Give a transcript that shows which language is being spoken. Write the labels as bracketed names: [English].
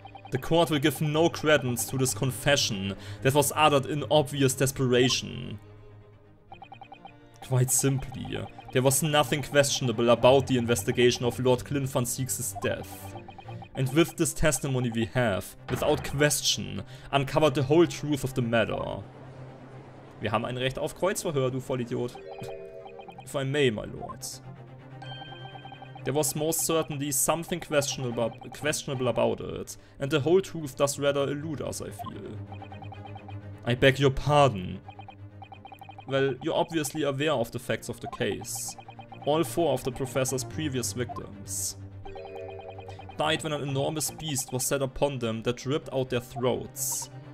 [English] The court will give no credence to this confession that was uttered in obvious desperation. Quite simply, there was nothing questionable about the investigation of Lord Clint van Sieks' death. And with this testimony we have, without question, uncovered the whole truth of the matter. [German] Wir haben ein Recht auf Kreuzverhör, du Vollidiot. [English] If I may, my lord. There was most certainly something questionable about it, and the whole truth does rather elude us, I feel. I beg your pardon. Well, you're obviously aware of the facts of the case. All four of the professor's previous victims died when an enormous beast was set upon them that ripped out their throats.